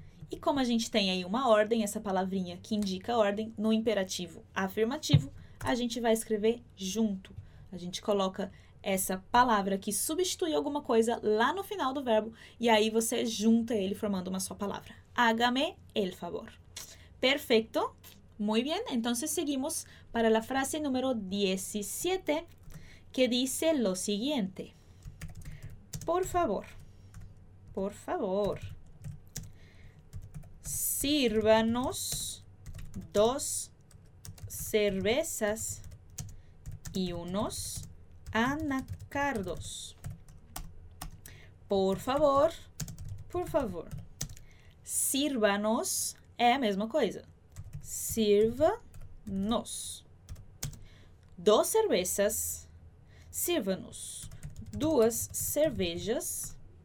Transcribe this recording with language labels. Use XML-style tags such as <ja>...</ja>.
<pt>E como a gente tem aí uma ordem, essa palavrinha que indica ordem, no imperativo afirmativo, a gente vai escrever junto. A gente coloca essa palavra que substitui alguma coisa lá no final do verbo e aí você junta ele formando uma só palavra.</pt> <es>Hágame el favor. Perfecto. Muy bien. Entonces seguimos para la frase número 17, que dice lo siguiente. Por favor. Por favor. Sírvanos dos cervezas y unos anacardos. Por favor, por favor.</es> <pt>Sírvanos é a mesma coisa. Sirva-nos.</pt> <es>Dos cervezas.</es> <pt>Sirva-nos. Duas cervejas.</pt>